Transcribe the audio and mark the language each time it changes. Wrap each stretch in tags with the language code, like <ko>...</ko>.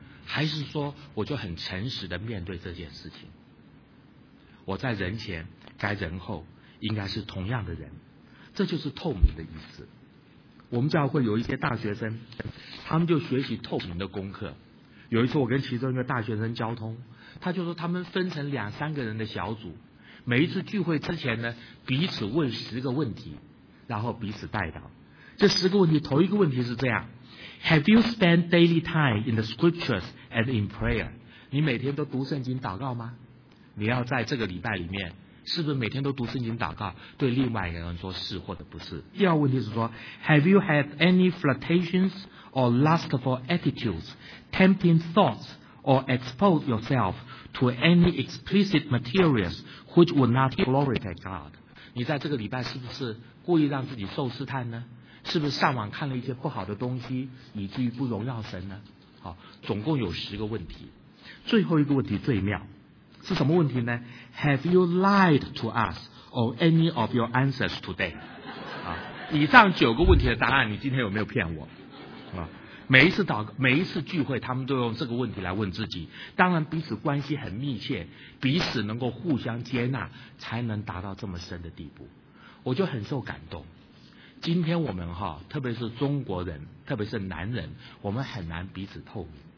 <zh>还是说我就很诚实的面对这件事情，我在人前该人后应该是同样的人，这就是透明的意思。我们教会有一些大学生，他们就学习透明的功课。有一次我跟其中一个大学生交通，他就说他们分成两三个人的小组，每一次聚会之前呢，彼此问十个问题，然后彼此代祷。这十个问题，头一个问题是这样，</zh> <en>Have you spent daily time in the scriptures and in prayer?</en> <zh>你每天都读圣经祷告吗？你要在这个礼拜里面，是不是每天都读圣经祷告？对另外一个人说是或者不是。第二问题是说</zh> <en>,Have you had any flirtations or lustful attitudes, tempting thoughts, or expose yourself to any explicit materials which would not glorify God?</en> <zh>你在这个礼拜是不是故意让自己受试探呢？是不是上网看了一些不好的东西，以至于不荣耀神呢？好，总共有十个问题。最后一个问题最妙，是什么问题呢？</zh> <en>Have you lied to us or any of your answers today?</en> <zh>啊，以上九个问题的答案，你今天有没有骗我？啊，每一次聚会，他们都用这个问题来问自己。当然，彼此关系很密切，彼此能够互相接纳，才能达到这么深的地步。我就很受感动。今天我们哈，特别是中国人，特别是男人，我们很难彼此透明。</zh>